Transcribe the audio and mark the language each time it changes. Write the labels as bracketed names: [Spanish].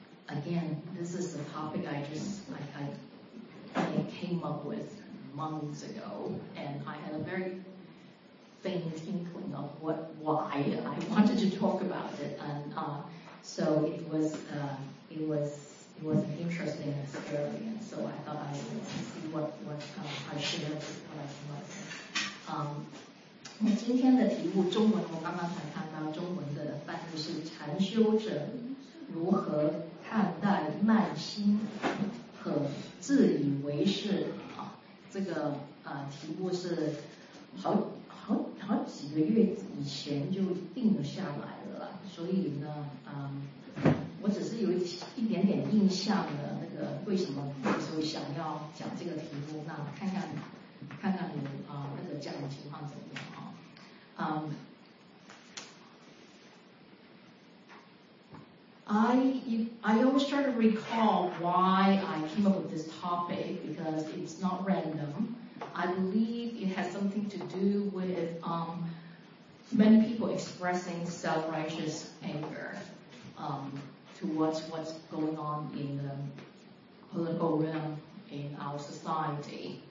[English] Again, this is a topic I came up with months ago, and I had a very faint inkling of why I wanted to talk about it, and so it was an interesting experience, so I thought I would see what I share with what I can learn. [Chinese] 今天的题目，中文我刚刚才看到，中文的翻译是 禅修者如何看待慢心和自以为是？这个题目是好几个月以前就定了下来了，所以呢，我只是有一点点印象的那个为什么那时候想要讲这个题目，那看看你那个讲的情况怎么样啊？ [English] I always try to recall why I came up with this topic because it's not random. I believe it has something to do with many people expressing self-righteous anger towards what's going on in the political realm in our society.